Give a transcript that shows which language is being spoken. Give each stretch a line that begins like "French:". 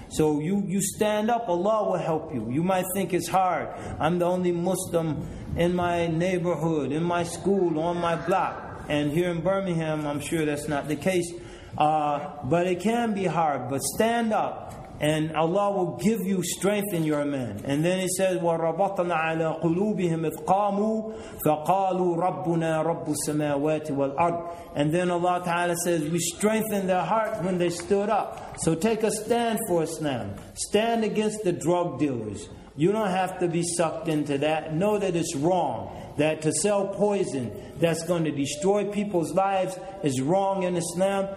English: So you stand up, Allah will help you. You might think it's hard. I'm the only Muslim in my neighborhood, in my school, on my block. And here in Birmingham, I'm sure that's not the case. But it can be hard. But stand up, and Allah will give you strength in your men. And then He says,
Arabic: وَرَبَطْنَا عَلَىٰ قُلُوبِهِمْ إِذْ قَامُوا فَقَالُوا رَبُّنَا رَبُّ السَّمَاوَاتِ وَالْأَرْضِ.
English: And then Allah Ta'ala says, we strengthened their heart when they stood up. So take a stand for Islam. Stand against the drug dealers. You don't have to be sucked into that. Know that it's wrong. That to sell poison that's going to destroy people's lives is wrong in Islam.